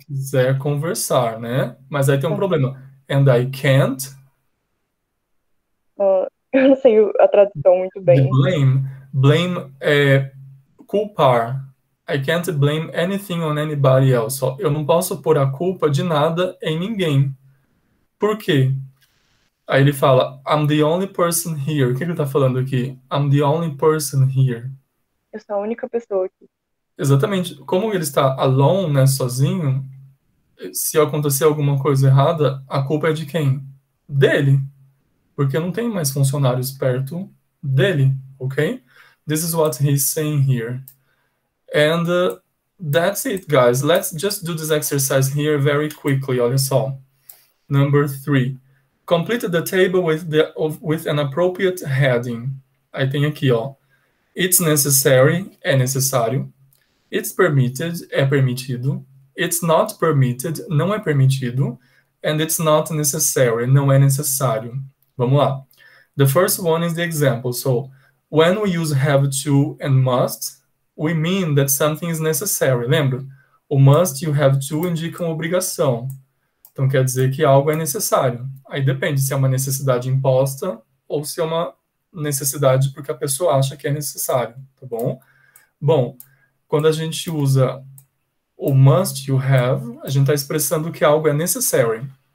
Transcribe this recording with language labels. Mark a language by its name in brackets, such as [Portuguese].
[Portuguese] Se quiser conversar, né? Mas aí tem um problema. [English] And I can't... [Portuguese] Eu não sei a tradução muito bem. [English] The blame. Blame [Portuguese] é culpar. [English] I can't blame anything on anybody else. [Portuguese] Eu não posso pôr a culpa de nada em ninguém. Por quê? Aí ele fala, [English] I'm the only person here. [Portuguese] O que ele tá falando aqui? [English] I'm the only person here. [Portuguese] Eu sou a única pessoa aqui. Exatamente. Como ele está alone, né, sozinho, se acontecer alguma coisa errada, a culpa é de quem? Dele. Porque não tem mais funcionários perto dele, ok? [English] This is what he's saying here. And that's it, guys. Let's just do this exercise here very quickly, [Portuguese] olha só. [English] Number three. Complete the table with an appropriate heading. [Portuguese] Aí tem aqui, ó. [English] It's necessary, [Portuguese] é necessário. [English] It's permitted, [Portuguese] é permitido. [English] It's not permitted, [Portuguese] não é permitido. [English] And it's not necessary, [Portuguese] não é necessário. Vamos lá. [English] The first one is the example. So, when we use have to and must, we mean that something is necessary. [Portuguese] Lembra? O must e o have to indicam obrigação. Então, quer dizer que algo é necessário. Aí depende se é uma necessidade imposta ou se é uma necessidade porque a pessoa acha que é necessário, tá bom? Bom, quando a gente usa o must e o have, a gente está expressando que algo é necessary.